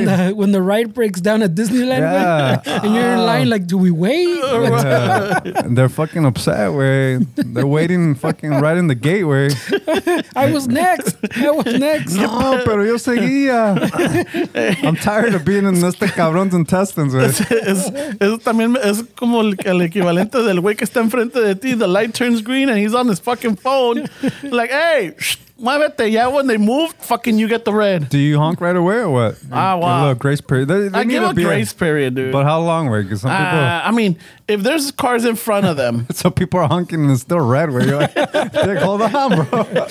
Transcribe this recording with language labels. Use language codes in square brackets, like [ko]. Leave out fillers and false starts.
[en] It's like when the ride breaks down at Disneyland, yeah, way, and you're in line. Like, do we wait? They're fucking upset, way. They're waiting, fucking right in the gateway. I was next. [es] No, pero yo seguía. [en] I'm tired of being in [es] este cabrón's [en] intestines, güey. [es] Es también es como el equivalente del güey que está enfrente de ti. [en] The light turns green and he's on his fucking phone. Like, hey, muévete. Yeah, when they move, fucking you get the red. Do you honk right away or what? Ah, wow. Well, a little grace period. They I give a grace period, dude. But how long, güey? Because some people. I mean, if there's cars in front of them. So people are honking and it's still red, where you're like, Dick, hold on, bro.